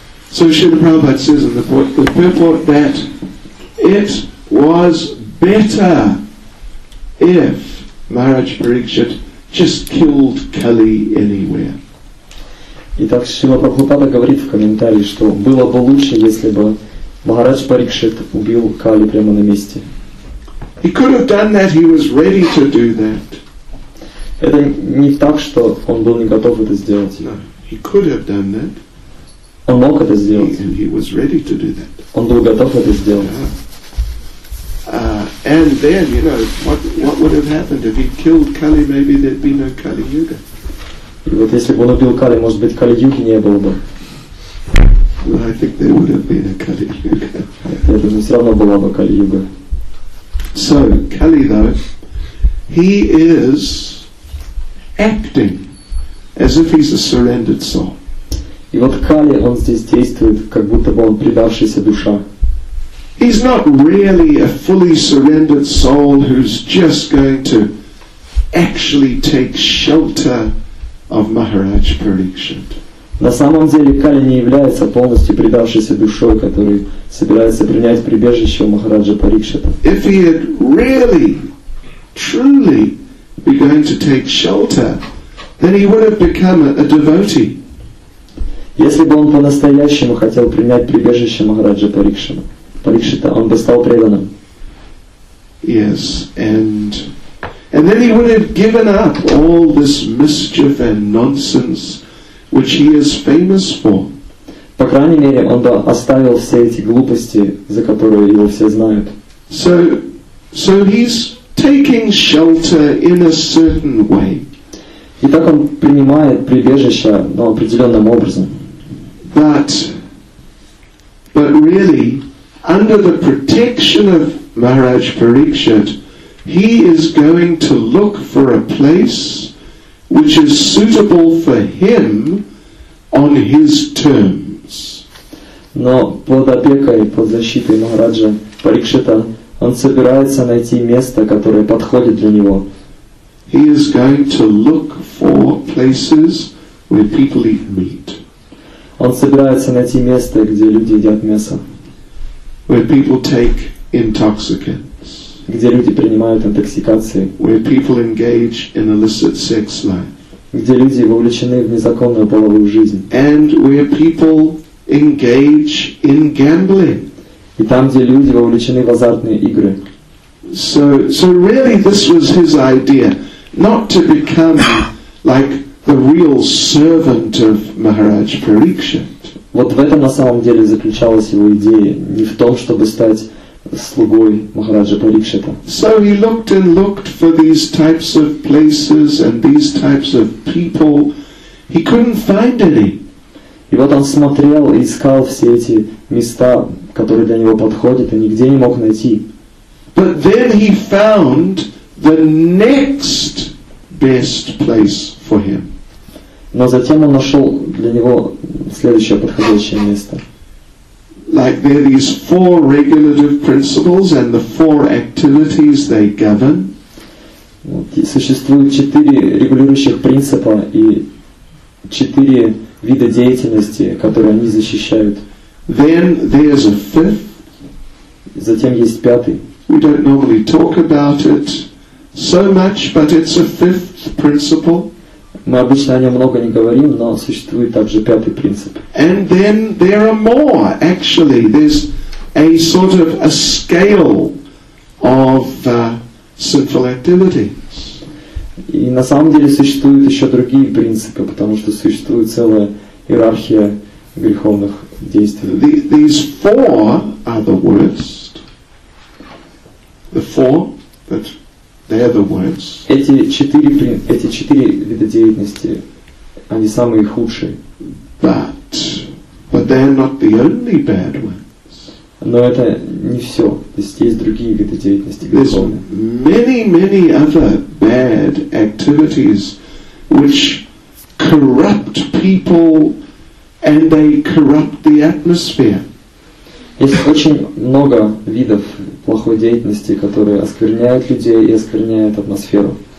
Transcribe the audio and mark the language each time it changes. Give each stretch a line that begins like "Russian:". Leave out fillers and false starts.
English: So Srila Prabhupada says in the purport that it was better if Maharaj Parikshit just killed Kali anywhere.
Russian: Итак, Srila Prabhupada говорит в комментарии, что было бы лучше, если бы Махарадж Парикшит убил Кали прямо на месте.
English: He could have done that, he was ready to do that.
Russian: Это не так, что он был не готов это сделать.
English: No, he could have done that.
Russian: Он мог это сделать.
English: And he was ready to do that.
Russian: Он был готов это сделать.
English: Yeah. And then, you know, what would have happened if he killed Kali? Maybe there'd be no Kali Yuga.
Russian: И вот если бы он убил Кали, может быть, Кали-юги не было бы.
English: Well, I think there would have been a Кали-юга.
Russian: Я думаю, все равно была бы Кали-юга.
English: So, Kali, though, he is acting as if he's a surrendered soul.
Russian: И вот Кали, он здесь действует, как будто бы он предавшаяся душа.
English: He's not really a fully surrendered soul who's just going to actually take shelter of Maharaj Parikshit.
Russian: На самом деле Кали не является полностью предавшейся душой, который собирается принять прибежище у Махараджа Парикшита.
English: If he had really, truly be going to take shelter, then he would have become a devotee.
Russian: Если бы он по-настоящему хотел принять прибежище Махараджа Парикшита, он бы стал преданным.
English: Yes, and then he would have given up all this mischief and nonsense which he is famous for.
Russian: По крайней мере, он бы оставил все эти глупости, за которые его все знают.
English: So he's taking shelter in a certain way.
Russian: И так он принимает прибежище, но определенным образом.
English: But really, under the protection of Maharaj Parikshit, he is going to look for a place which is suitable for him on his terms.
Russian: Но под опекой, под защитой Махараджа Парикшита, он собирается найти место, которое подходит для него.
English: He is going to look for places where people eat meat.
Russian: Он собирается найти место, где люди едят мясо.
English: Where people take intoxicants.
Russian: Где люди принимают интоксикации.
English: Where people engage in illicit sex life.
Russian: Где люди вовлечены в незаконную половую жизнь.
English: And where people engage in gambling.
Russian: И там, где люди вовлечены в азартные игры.
English: So really this was his idea. Not to become like the real servant of Maharaj Parikshit.
Russian: Вот в этом на самом деле заключалась его идея. Не в том, чтобы стать слугой Махараджа Парикшита.
English: So he looked and looked for these types of places and these types of people. He couldn't find any.
Russian: И вот он смотрел и искал все эти места, которые для него подходят, и нигде не мог найти.
English: But then he found the next best place for him.
Russian: Но затем он нашел для него следующее подходящее место.
English: Like there are these four regulative principles and the four activities they govern.
Russian: Существует четыре регулирующих принципа и четыре вида деятельности, которые они защищают.
English: Then there's a fifth.
Russian: Затем есть пятый.
English: We don't normally talk about it so much, but it's a fifth principle.
Russian: Мы обычно о нем много не говорим, но существует также пятый принцип.
English: And then there are more, actually. There's a sort of a scale of sinful activities.
Russian: И на самом деле существуют еще другие принципы, потому что существует целая иерархия греховных действий.
English: These four are the worst. The four that... They are the worst.
Russian: Эти четыре вида деятельности, они самые худшие.
English: But they are not the only bad ones.
Russian: Но это не все. То есть другие виды деятельности.
English: There's many, many other bad activities which corrupt people and they corrupt the atmosphere.
Russian: Есть очень много видов плохой деятельности, которые оскверняют людей и оскверняют атмосферу.